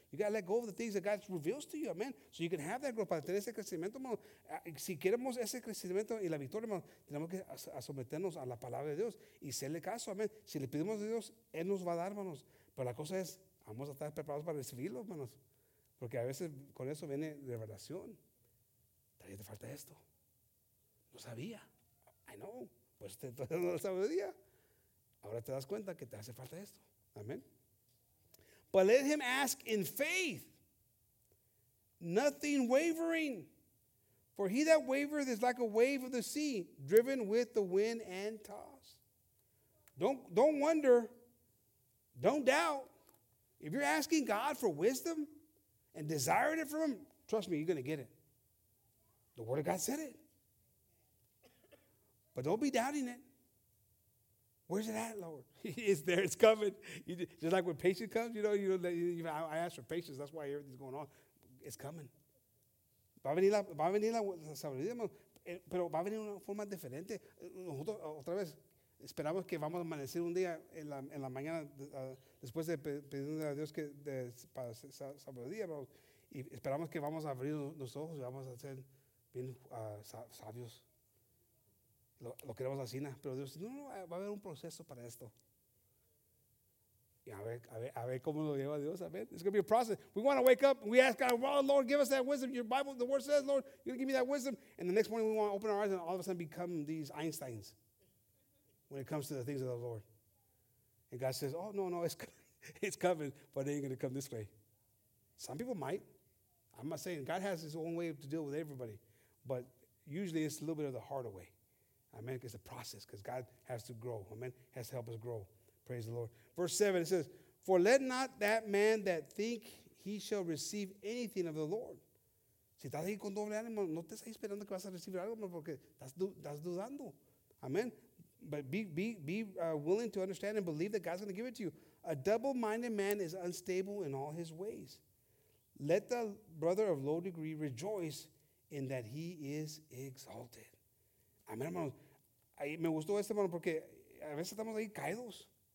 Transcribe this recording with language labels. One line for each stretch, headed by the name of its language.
English: You gotta let go of the things that God reveals to you, amen. So you can have that growth,
Spanish: para tener ese crecimiento, hermanos. Si queremos ese crecimiento y la victoria, hermanos, tenemos que someternos a la palabra de Dios y hacerle caso, amen. Si le pedimos a Dios, Él nos va a dar, hermanos. Pero la cosa es, vamos a estar preparados para recibirlo, hermanos. Porque a veces con eso viene revelación. Todavía te falta esto. No sabía.
English: I know.
Spanish: Pues usted no lo sabía. Ahora te das cuenta que te hace falta esto. Amén.
English: But let him ask in faith, nothing wavering. For he that wavereth is like a wave of the sea, driven with the wind and tossed. Don't wonder. Don't doubt. If you're asking God for wisdom and desiring it from him, trust me, you're going to get it. The word of God said it. But don't be doubting it. Where's it at, Lord? It's there. It's coming. Just like when patience comes, you know, I ask for patience. That's why everything's going on. It's coming.
Spanish: Va a venir la sabiduría, pero va a venir una forma diferente. Nosotros otra vez esperamos que vamos a amanecer un día en la mañana después de pedirle a Dios para sabiduría, y esperamos que vamos a abrir los ojos y vamos a ser bien sabios. Lo queremos así, pero Dios dice, no, va a haber un proceso para esto. Y a ver cómo lo lleva Dios, amén.
English: It's going to be a process. We want to wake up, and we ask God, well, Lord, give us that wisdom. Your Bible, the word says, Lord, you're going to give me that wisdom. And the next morning we want to open our eyes and all of a sudden become these Einsteins when it comes to the things of the Lord. And God says, oh, no, it's coming, but it ain't going to come this way. Some people might. I'm not saying God has his own way to deal with everybody, but usually it's a little bit of the harder way. Amen. It's a process because God has to grow. Amen. Has to help us grow. Praise the Lord. Verse 7, it says, for let not that man that think he shall receive anything of the Lord.
Spanish: Si estás ahí con doble ánimo, no te estás esperando que vas a recibir algo, porque estás dudando. Amen.
English: But be willing to understand and believe that God's going to give it to you. A double-minded man is unstable in all his ways. Let the brother of low degree rejoice in that he is exalted.
Spanish: Amén, hermanos. Ay, me gustó este, hermano, porque a veces estamos ahí caídos.